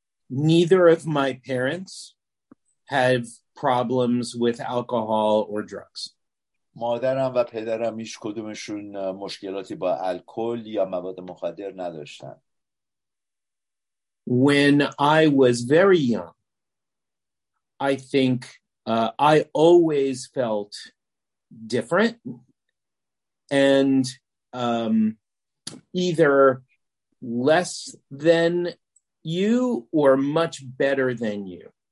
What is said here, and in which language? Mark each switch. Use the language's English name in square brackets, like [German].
[English] Neither of my parents have problems with alcohol or drugs. [Persian] مادرم و پدرم هیچ کدومشون مشکلاتی با الکل یا مواد مخدر نداشتن. [English] When I was very young, I think I always felt different and either less than you or much better than you.